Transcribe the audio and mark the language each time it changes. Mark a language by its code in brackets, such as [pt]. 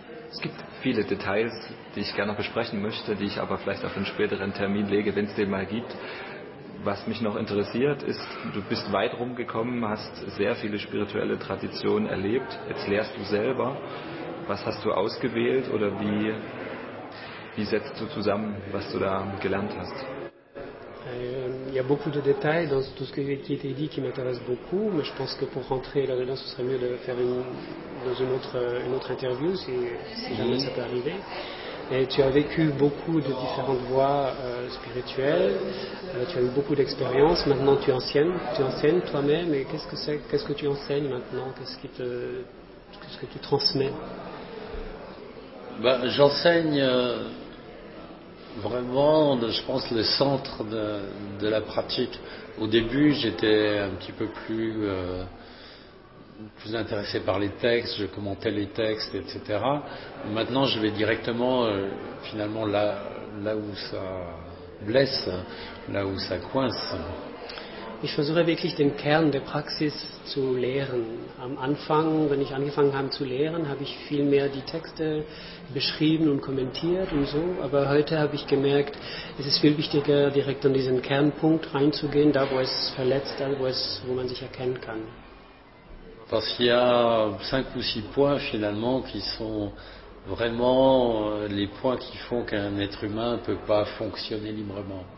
[de] Es gibt viele Details, die ich gerne noch besprechen möchte, die ich aber vielleicht auf einen späteren Termin lege, wenn es den mal gibt. Was mich noch interessiert ist, du bist weit rumgekommen, hast sehr viele spirituelle Traditionen erlebt. Jetzt lehrst du selber. Was hast du ausgewählt oder wie setzt du zusammen, was du da gelernt hast? [fr] Il y a beaucoup de détails dans tout ce qui a été dit qui m'intéresse beaucoup, mais je pense que pour rentrer là-dedans, ce serait mieux de faire une autre interview si jamais ça peut arriver. Et tu as vécu beaucoup de différentes voies spirituelles, tu as eu beaucoup d'expériences, maintenant tu enseignes toi-même, et qu'est-ce que tu enseignes maintenant, qu'est-ce que tu transmets? J'enseigne vraiment, je pense, le centre de la pratique. Au début, j'étais un petit peu plus intéressé par les textes, je commentais les textes, etc. Maintenant, je vais directement, finalement, là où ça blesse, là où ça coince. [de] Ich versuche wirklich den Kern der Praxis zu lehren. Am Anfang, wenn ich angefangen habe zu lehren, habe ich viel mehr die Texte beschrieben und kommentiert und so. Aber heute habe ich gemerkt, es ist viel wichtiger, direkt an diesen Kernpunkt reinzugehen, da wo es verletzt, wo man sich erkennen kann. [fr] Parce qu'il y a 5 ou 6 points finalement qui sont vraiment les points qui font qu'un être humain ne peut pas fonctionner librement.